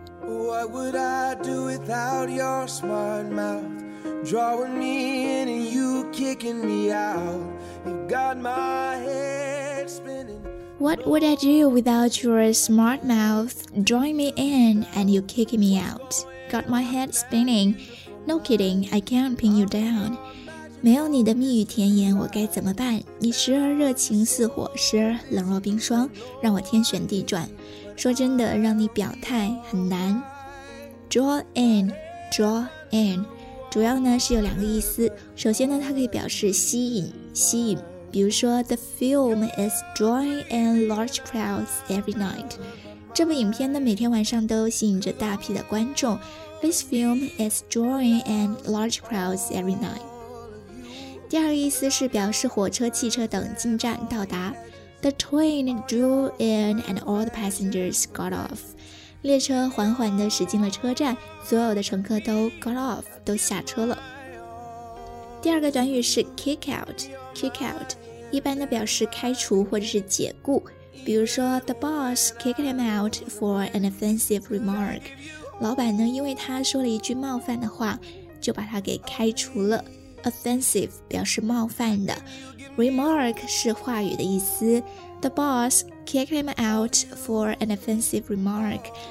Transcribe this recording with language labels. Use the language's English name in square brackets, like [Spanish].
[English] What would I do without your smart mouth drawing me in and you kicking me out, you got my head spinning. What would I do without your smart mouth drawing me in and you kicking me out, got my head spinningNo kidding, I can't pin you down. [Chinese] 没有你的蜜语甜言，我该怎么办？你时而热情似火，时而冷若冰霜，让我天旋地转。说真的，让你表态很难。Draw in, 主要呢是有两个意思。首先呢，它可以表示吸引，比如说 [English] The film is drawing in large crowds every night. [Chinese] 这部影片呢，每天晚上都吸引着大批的观众。 [English] This film is drawing in large crowds every night. [Chinese] 第二个意思是表示火车、汽车等进站到达。 [English] The train drew in and all the passengers got off. [Chinese] 列车缓缓地驶进了车站，所有的乘客都 got off, 都下车了。第二个短语是 kick out, 一般的表示开除或者是解雇。比如说 [English] ,the boss kicked him out for an offensive remark. [Chinese] 老板呢，因为他说了一句冒犯的话，就把他给开除了。 Offensive 表示冒犯的 ，remark 是话语的意思。 [English] The boss kicked him out for an offensive remark。